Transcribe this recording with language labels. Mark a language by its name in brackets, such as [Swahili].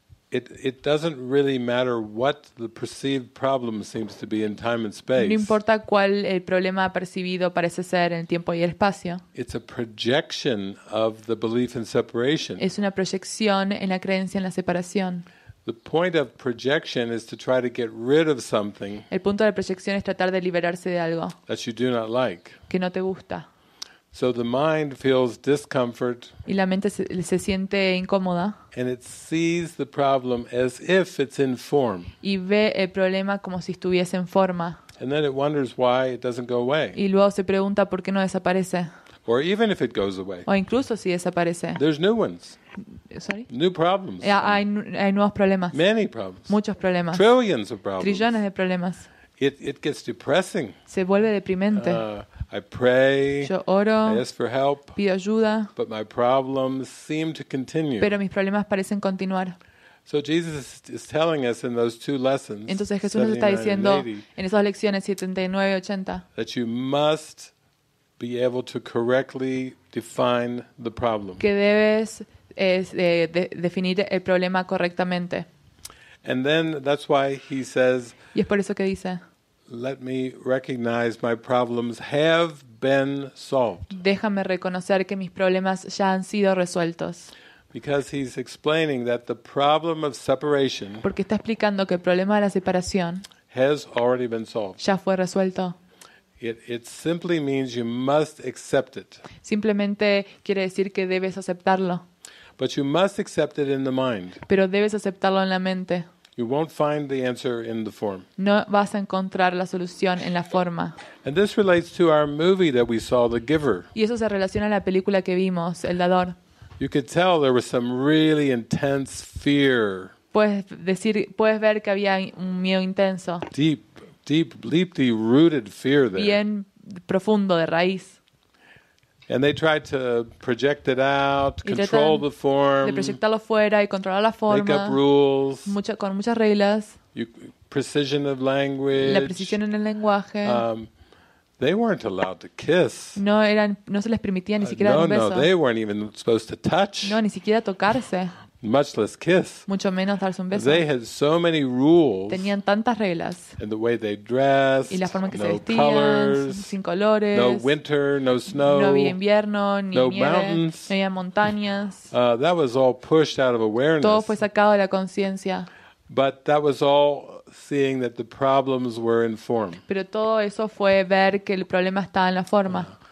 [English] It doesn't really matter what the perceived problem seems to be in time and space. [Spanish] No importa cuál el problema percibido parece ser en tiempo y el espacio. [English] It's a projection of the belief in separation. [Spanish] Es una proyección en la creencia en la separación. [English] The point of projection is to try to get rid of something. [Spanish] El punto de proyección es tratar de liberarse de algo. [English] That you do not like. [Spanish] Que no te gusta. [English] So the mind feels discomfort. [Spanish] Y la mente se siente incómoda. [English] And it sees the problem as if it's in form. [Spanish] Y ve el problema como si estuviese en forma. [English] And then it wonders why it doesn't go away. [Spanish] Y luego se pregunta por qué no desaparece. [English] Or even if it goes away. [Spanish] O incluso si desaparece. [English] There's new ones. Sorry? New problems. [Spanish] Yeah, hay nuevos problemas. [English] Many problems. [Spanish] Muchos problemas. [English] Trillions of problems. [Spanish] Trillones de problemas. [English] It gets depressing. [Spanish] Se vuelve deprimente. [English] I pray. [Spanish] Yo oro. [English] I ask for help. [Spanish] Pido ayuda. [English] But my problems seem to continue. [Spanish] Pero mis problemas parecen continuar. [English] So Jesus is telling us in those two lessons. [Spanish] Entonces Jesús nos está diciendo en esas lecciones 79 y 80. [English] That you must be able to correctly define the problem. [Spanish] Que debes definir el problema correctamente. [English] And then that's why he says. [Spanish] Y es por eso que dice. [English] Let me recognize my problems have been solved. [Spanish] Déjame reconocer que mis problemas ya han sido resueltos. [English] Because he's explaining that the problem of separation. [Spanish] Porque está explicando que el problema de la separación. [English] Has already been solved. [Spanish] Ya fue resuelto. [English] It simply means you must accept it. [Spanish] Simplemente quiere decir que debes aceptarlo. [English] But you must accept it in the mind. [Spanish] Pero debes aceptarlo en la mente. [English] You won't find the answer in the form. [Spanish] No vas a encontrar la solución en la forma. [English] And this relates to our movie that we saw, The Giver. [Spanish] Y eso se relaciona a la película que vimos, El Dador. [English] You could tell there was some really intense fear. [Spanish] Puedes ver que había un miedo intenso. [English] Deeply rooted fear there. [Spanish] Bien profundo de raíz. [English] And they tried to project it out, control the form. [Spanish] De proyectarlo fuera y controlar la forma. [English] Make up rules. [Spanish] Con muchas reglas. [English] Precision of language. [Spanish] La precisión en el lenguaje. [English] They weren't allowed to kiss. [Spanish] No se les permitía ni siquiera dar un beso. [English] No, they weren't even supposed to touch. [Spanish] No, ni siquiera tocarse. [English] Much less kiss. [Spanish] Mucho menos darse un beso. [English] They had so many rules. [Spanish] Tenían tantas reglas. [English] And the way they dressed. [Spanish] Y la forma en que no se vestían. [English] Colors, [Spanish] sin colores. [English] No winter, no snow. [Spanish] No había invierno, ni no nieve. [English] Mountains. [Spanish] No había montañas. [English] That was all pushed out of awareness. [Spanish] Todo fue sacado de la conciencia. [English] But that was all seeing that the problems were in form. [Spanish] Pero todo eso fue ver que el problema estaba en la forma.